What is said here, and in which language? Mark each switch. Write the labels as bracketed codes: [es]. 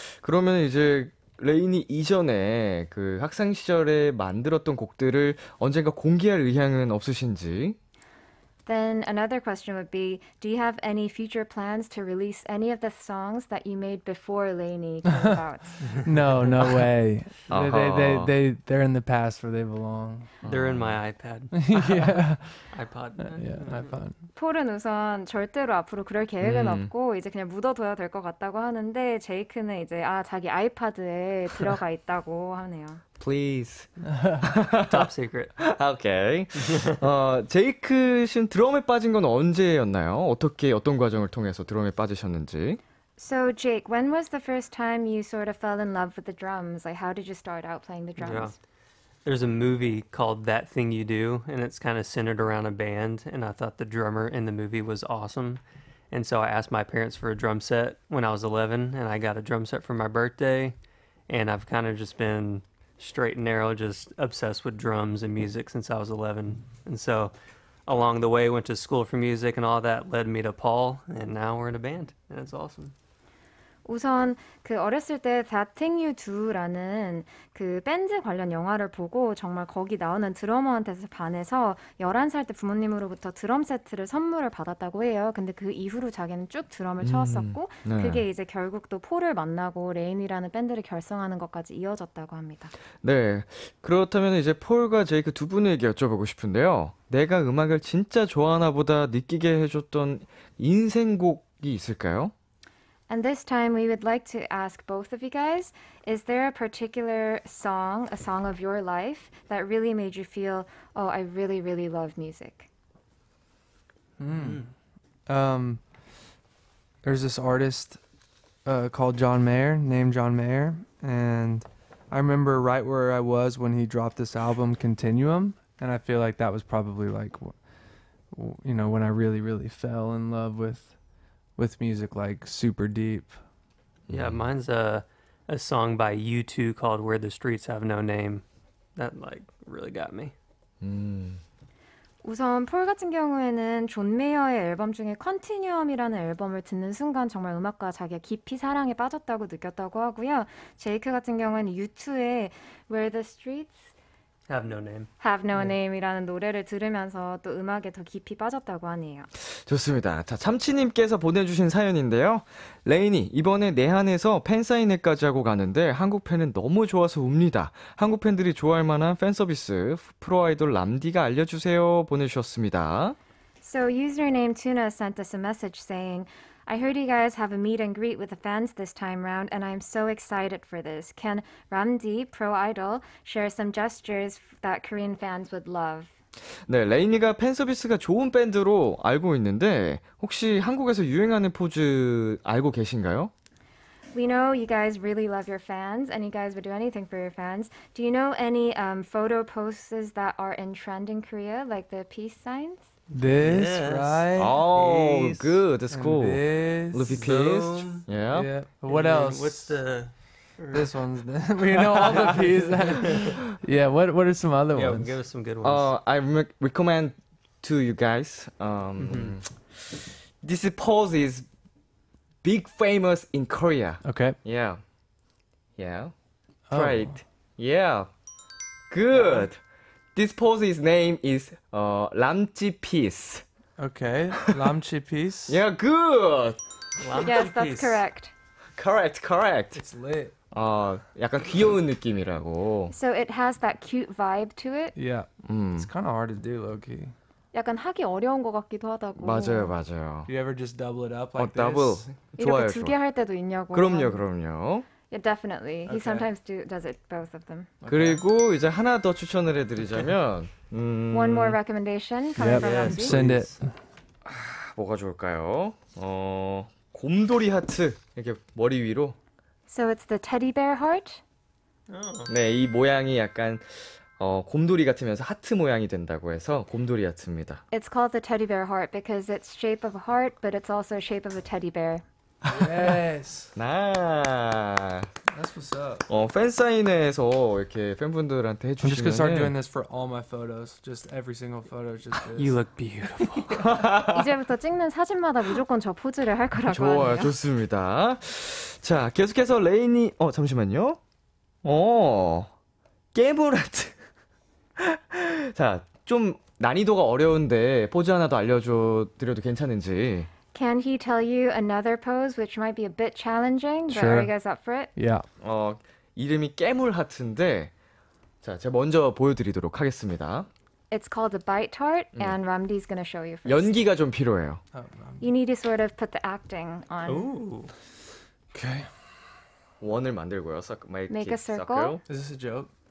[ko] 그러면 이제 레인이 이전에 그 학생 시절에 만들었던 곡들을 언젠가 공개할 의향은 없으신지? [en] Then another question would be, do you have any future plans to release any of the songs that you made before LANY came out? No way. Uh-huh. They're in the past where they belong. They're in my iPad. Yeah. iPod. Yeah, iPod. [ko] 폴은 우선 절대로 앞으로 그럴 계획은 없고 이제 그냥 묻어둬야 될 것 같다고 하는데 제이크는 이제 아 자기 아이패드에 들어가 있다고 하네요. [en] Please. Top secret. Okay. [ko] 제이크 씨는 드럼에 빠진 건 언제였나요? 어떻게 어떤 과정을 통해서 드럼에 빠지셨는지? [en] So Jake, when was the first time you sort of fell in love with the drums? Like how did you start out playing the drums? Yeah. There's a movie called That Thing You Do and it's kind of centered around a band and I thought the drummer in the movie was awesome. And so I asked my parents for a drum set when I was 11 and I got a drum set for my birthday and I've kind of just been straight and narrow, just obsessed with drums and music since I was 11. And so along the way, went to school for music and all that led me to Paul, and now we're in a band, and it's awesome. [ko] 우선 그 어렸을 때 That Thing You Do라는 그 밴드 관련 영화를 보고 정말 거기 나오는 드러머한테서 반해서 11살 때 부모님으로부터 드럼 세트를 선물을 받았다고 해요. 근데 그 이후로 자기는 쭉 드럼을 쳐왔었고 네. 그게 이제 결국 또 폴을 만나고 레인이라는 밴드를 결성하는 것까지 이어졌다고 합니다. 네, 그렇다면 이제 폴과 제이크 두 분에게 여쭤보고 싶은데요. 내가 음악을 진짜 좋아하나 보다 느끼게 해줬던 인생곡이 있을까요? [en] And this time, we would like to ask both of you guys, is there a particular song, a song of your life, that really made you feel, oh, I really, really love music? There's this artist called John Mayer, named John Mayer, and I remember right where I was when he dropped this album, Continuum, and I feel like that was probably like, you know, when I really, really fell in love with music like super deep. Yeah, mine's a song by U2 called Where the Streets Have No Name. That like really got me. [ko] 우선 폴 같은 경우에는 존 메이어의 앨범 중에 컨티뉴엄이라는 앨범을 듣는 순간 정말 음악과 자기가 깊이 사랑에 빠졌다고 느꼈다고 하고요. 제이크 같은 경우는 U2의 Where the Streets [en] Have No Name. Have No [ko] 네. Name이라는 노래를 들으면서 또 음악에 더 깊이 빠졌다고 하네요. 좋습니다. 자, 참치님께서 보내주신 사연인데요. 레인이 이번에 내한에서 팬사인회까지 하고 가는데 한국 팬은 너무 좋아서 웁니다. 한국 팬들이 좋아할 만한 팬서비스 프로아이돌 람디가 알려주세요 보내주셨습니다. [en] So username Tuna sent us a message saying, I heard you guys have a meet and greet with the fans this time round, and I'm so excited for this. Can Ramdi, pro idol, share some gestures that Korean fans would love? [ko] 네, 레이니가 팬 서비스가 좋은 밴드로 알고 있는데 혹시 한국에서 유행하는 포즈 알고 계신가요? [en] We know you guys really love your fans, and you guys would do anything for your fans. Do you know any photo poses that are in trend in Korea, like the peace signs? This, yes. right? Oh, peace. Good. That's cool. And this. Luffy peace. So, yeah. yeah. What and else? What's the... This one's the... We know all the peace. yeah, what are some other ones? Yeah, give us some good ones. I recommend to you guys. This pose is big famous in Korea. Okay. Yeah. Yeah. Oh. Right. Yeah. Good. Yeah. This pose's name is Lamchi Peace. Okay, Lamchi Peace. yeah, good. Lamchi yes, that's piece. Correct. Correct, correct. It's lit. [ko] 약간 귀여운 느낌이라고. [en] So it has that cute vibe to it. Yeah. It's kind of hard to do, Loki. [ko] 약간 하기 어려운 것 같기도 하다고. 맞아요, 맞아요. [en] Do you ever just double it up like this? Double. [ko] 좋아요, 이렇게 두 개 할 때도 있냐고. 그럼요, 그럼요. [en] Yeah, definitely. Okay. He sometimes does it, both of them. Okay. [ko] 그리고 이제 하나 더 추천을 해드리자면 [en] One more recommendation coming Andy. Send it. [ko] 뭐가 좋을까요? 곰돌이 하트. 이렇게 머리 위로. [en] So it's the teddy bear heart? Oh. [ko] 네, 이 모양이 약간 곰돌이 같으면서 하트 모양이 된다고 해서 곰돌이 하트입니다. [en] It's called the teddy bear heart because it's shape of a heart, but it's also shape of a teddy bear. Yes. Nah. That's what's up. [ko] 팬 사인회에서 이렇게 팬분들한테 해주시면. [en] I'm just gonna start doing this for all my photos. Just every single photo, just this. You look beautiful. [ko] 이제부터 찍는 사진마다 무조건 저 포즈를 할 거라고 좋아요, 하네요. 좋아요, 좋습니다. 자, 계속해서 레인이. 잠시만요. 깨물하트. 자, 좀 난이도가 어려운데 포즈 하나 더 알려드려도 괜찮은지. [en] Can he tell you another pose which might be a bit challenging? Sure. But are you guys up for it? Yeah. [ko] 이름이 깨물 하트인데 자, 제가 먼저 보여드리도록 하겠습니다. [en] It's called a bite heart and Ramdi's going to show you first. [ko] 연기가 좀 필요해요. [en] You need to sort of put the acting on. Ooh. Okay. [ko] 원을 만들고요. [en] Make a circle. Is this a joke?